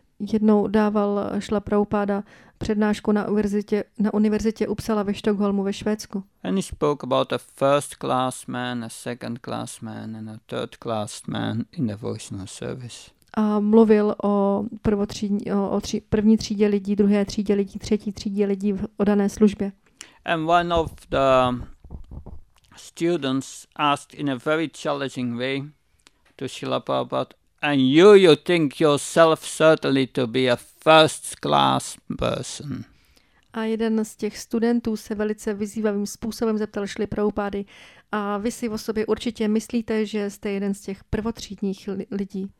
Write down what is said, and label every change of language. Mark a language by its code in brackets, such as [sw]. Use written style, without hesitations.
[cs] Jednou dával Srila Prabhupada přednášku na univerzitě Uppsala ve Stockholmu ve Švédsku. [en] And he spoke about a first class man, a second class man, and a third class man in devotional service. [cs] A mluvil o první třídě lidí, druhé třídě lidí, třetí třídě lidí v oddané službě. [en] And one of the students asked in a very challenging way to Srila Prabhupada, and you think yourself certainly to be a first class person. [cs] A jeden z těch studentů se velice vyzývavým způsobem zeptal Srila Prabhupady, a vy si o sobě určitě myslíte, že jste jeden z těch prvotřídních lidí.